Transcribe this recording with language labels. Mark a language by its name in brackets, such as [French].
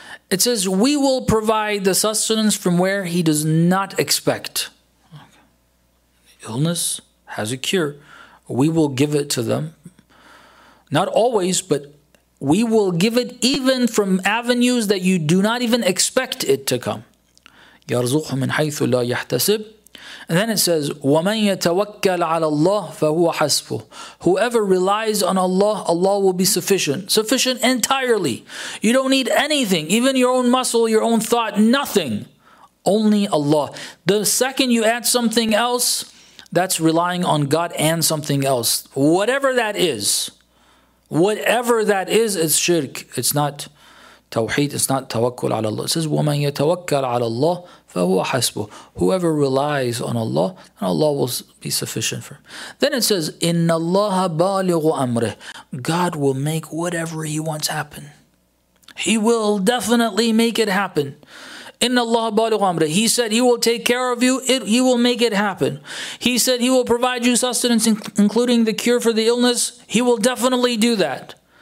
[English] It says, we will provide the sustenance from where he does not expect. Okay. Illness has a cure. We will give it to them. Not always, but we will give it even from avenues that you do not even expect it to come. [Arabic] يَرْزُقْهُ مِنْ حَيْثُ لَا يَحْتَسِبْ. [English] And then it says, [Arabic] وَمَنْ يَتَوَكَّلْ عَلَى اللَّهِ فَهُوَ حَسْبُهُ. [English] Whoever relies on Allah, Allah will be sufficient. Sufficient entirely. You don't need anything, even your own muscle, your own thought, nothing. Only Allah. The second you add something else, that's relying on God and something else. Whatever that is. Whatever that is, it's shirk. It's not tawheed. It's not tawakkul ala Allah. It says, [Arabic] وَمَنْ يَتَوَكَّلْ عَلَى اللَّهِ فَهُوَ حَسْبُهُ. [English] Whoever relies on Allah, then Allah will be sufficient for him. Then it says, [Arabic] إِنَّ اللَّهَ بَالِغُ أَمْرِهِ. [English] God will make whatever He wants happen. He will definitely make it happen. [Arabic] إِنَّ اللَّهَ بَالِغُ أَمْرِهِ. [English] He said He will take care of you. He will make it happen. He said He will provide you sustenance, including the cure for the illness. He will definitely do that.